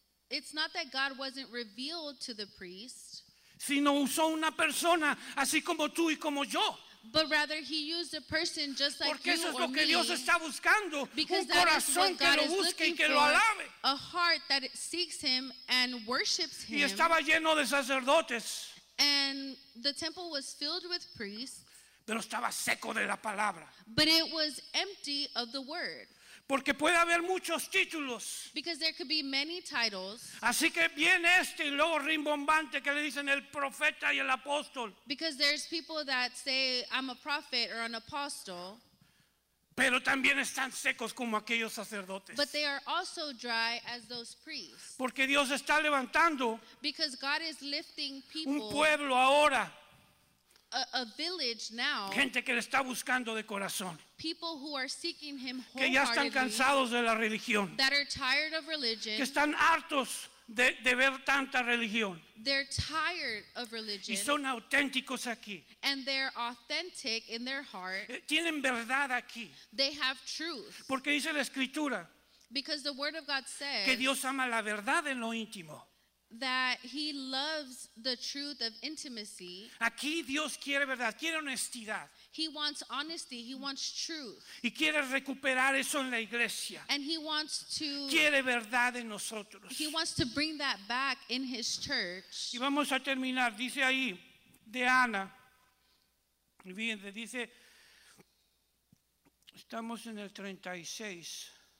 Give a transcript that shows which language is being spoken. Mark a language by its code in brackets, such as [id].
[en] It's not that God wasn't revealed to the priest. [es] Sino usó una persona así como tú y como yo. [en] But rather he used a person just like [es] porque eso [en] you [es] es lo [en] or [es] que [en] me. [es] Dios está buscando, un corazón que lo busque y que lo alabe. [en] A heart that seeks him and worships him. [es] Y estaba lleno de sacerdotes. [en] And the temple was filled with priests. [es] Pero estaba seco de la palabra. [en] But it was empty of the word. [es] Porque puede haber muchos títulos. [en] Because there could be many titles. [es] Así que viene este y luego rimbombante que le dicen el profeta y el apóstol. [en] Because there's people that say I'm a prophet or an apostle. [es] Pero también están secos como aquellos sacerdotes. [en] But they are also dry as those priests. [es] Porque Dios está levantando. [en] Because God is lifting people. [es] Un pueblo ahora. [en] A village now. [es] Gente que le está buscando de corazón. [en] People who are seeking him wholeheartedly, [es] que ya están cansados de la religión, [en] that are tired of religion, [es] que están hartos de ver tanta religión, [en] they're tired of religion, [es] y son auténticos aquí, [en] and they're authentic in their heart, [es] tienen verdad aquí, [en] they have truth, [es] porque dice la escritura, [en] because the word of God says, [es] que Dios ama la verdad en lo íntimo, [en] that he loves the truth of intimacy, [es] aquí Dios quiere verdad, quiere honestidad. [en] He wants honesty, he wants truth. [es] Y quiere recuperar eso en la iglesia. [en] And he wants to [es] quiere verdad en nosotros. [en] He wants to bring that back in his church. [es] Y vamos a terminar, dice ahí de Ana. Bien, dice estamos en el 36.